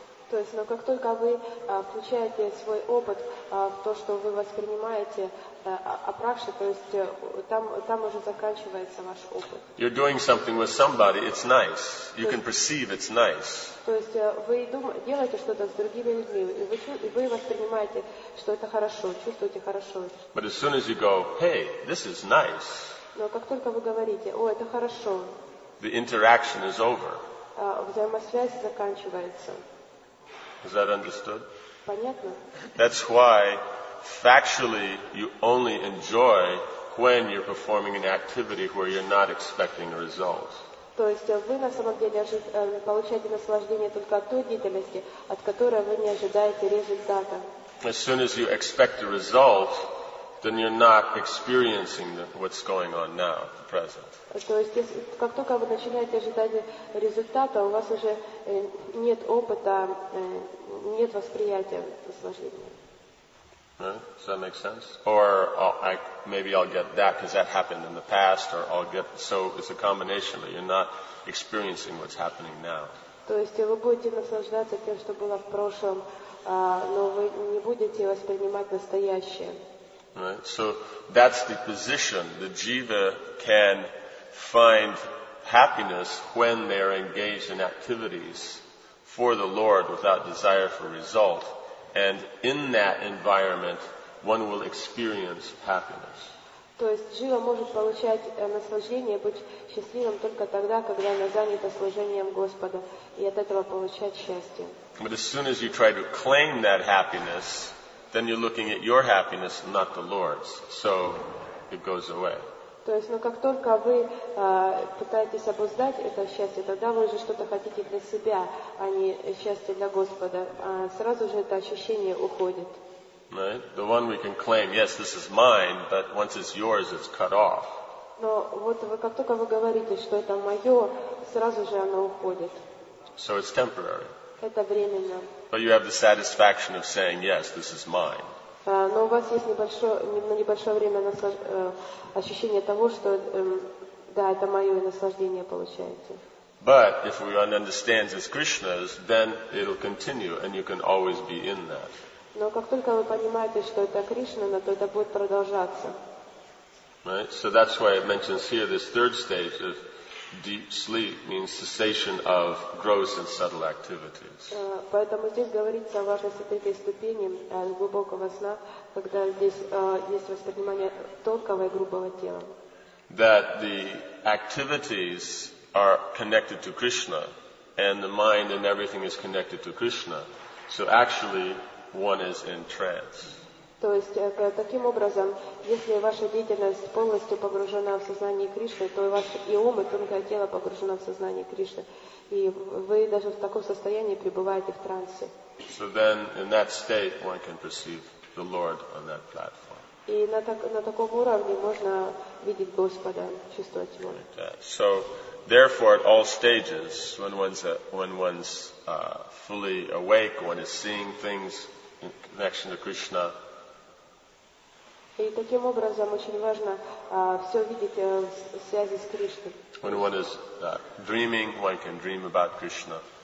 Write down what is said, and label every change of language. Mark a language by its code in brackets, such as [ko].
[ru] То есть, но как только вы включаете свой опыт в то, что вы воспринимаете апракши, то есть там уже заканчивается ваш опыт. [en] You're doing something with somebody, it's nice. You can perceive it's nice. [ru] То есть вы делаете что-то с другими людьми, и вы воспринимаете, что это хорошо, чувствуете хорошо. [en] But as soon as you go, hey, this is nice. [ru] Но как только вы говорите, о, это хорошо. [en] The interaction is over. [ru] Взаимосвязь заканчивается. [en] Is that understood? [ru] Понятно. [en] That's why, factually, you only enjoy when you're performing an activity where you're not expecting a result. [ru] То есть вы на самом деле получаете наслаждение только от той деятельности, от которой вы не ожидаете результата. [en] As soon as you expect a result, then you're not experiencing what's going on now, the present. [ru] То есть, как только вы начинаете ожидать результата, у вас уже нет опыта, нет восприятия наслаждения. [en] Does that make sense? Or maybe I'll get that because that happened in the past, or I'll get. So it's a combination, but you're not experiencing what's happening now. [ru] То есть, вы будете наслаждаться тем, что было в прошлом, но вы не будете воспринимать настоящее. [en] Right. So that's the position. The jiva can find happiness when they are engaged in activities for the Lord without desire for result. And in that environment, one will experience happiness. [ru] То есть джива может получать наслаждение, быть счастливым только тогда, когда она занята служением Господа, и от этого получать счастье. [en] But as soon as you try to claim that happiness, then you're looking at your happiness, not the Lord's. So it goes away. [ru] То есть, но как только вы пытаетесь обуздать это счастье, тогда вы же что-то хотите для себя, а не счастье для Господа. Сразу же это ощущение уходит. [en] Right? The one we can claim, yes, this is mine, but once it's yours, it's cut off. [ru] Но вот вы, как только вы говорите, что это мое, сразу же оно уходит. [en] So it's temporary. [ru] Это временно. [en] But you have the satisfaction of saying, yes, this is mine. [ru] Но у вас есть небольшое время ощущение того, что да, это мое, и наслаждение получаете. [en] But if we understand it's Krishna's, then it'll continue, and you can always be in that. [ru] Но как только вы понимаете, что это Кришна, то это будет продолжаться. [en] Right? So that's why it mentions here this third stage of Deep sleep means cessation of gross and subtle activities. [ru] Поэтому здесь говорится о вашей святой ступени глубокого сна, когда здесь есть воспринимание тонкого и грубого тела. [en] That the activities are connected to Krishna, and the mind and everything is connected to Krishna. So actually, one is in trance. [ru] То есть таким образом, если ваша деятельность полностью погружена в сознание Кришны, то ваш и ум, и тонкое тело погружено в сознание Кришны, и вы даже в таком состоянии пребываете в трансе. [en] So then, in that state, one can perceive the Lord on that platform. [ru] И на таком уровне можно видеть Господа, чувствовать Его. [en] So, therefore, at all stages, when one's fully awake, one is seeing things in connection to Krishna. [ru] И таким образом очень важно все видеть в связи с Кришной. [en] When one is dreaming, one can dream about Krishna.